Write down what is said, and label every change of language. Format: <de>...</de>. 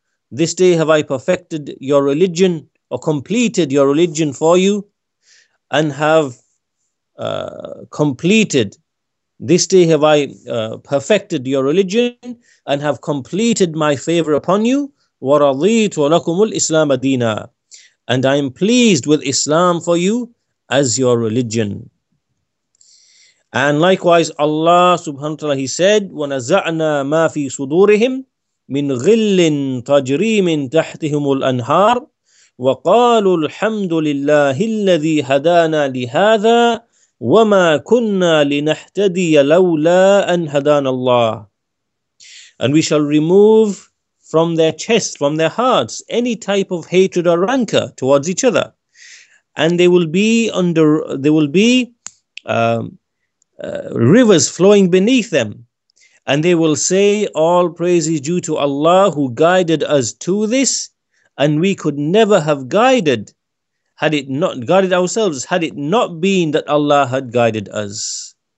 <en>This day have I perfected your religion or completed your religion for you, and have completed. This day have I perfected your religion and have completed my favor upon you.</en> <ar>وَرَضِيتُ لَكُمُ الْإِسْلَامَ دِينًا.</ar> <en>And I am pleased with Islam for you as your religion. And likewise, Allah subhanahu wa ta'ala, he said,</en> <ar>وَنَزَعْنَا مَا فِي صُدُورِهِمْ مِنْ غِلٍّ تَجْرِي مِنْ تَحْتِهِمُ الْأَنْهَارِ وَقَالُوا الْحَمْدُ لِلَّهِ الَّذِي هَدَانَا لِهَذَا وَمَا كُنَّا لِنَحْتَدِيَ لَوْلَا أَنْ هَدَانَ اللَّهِ.</ar> <en>And we shall remove from their chest, from their hearts, any type of hatred or rancor towards each other. And they will be under, they will be rivers flowing beneath them. And they will say, all praise is due to Allah who guided us to this, and we could never have guided, had it not guided ourselves, had it not been that Allah had guided us.</en>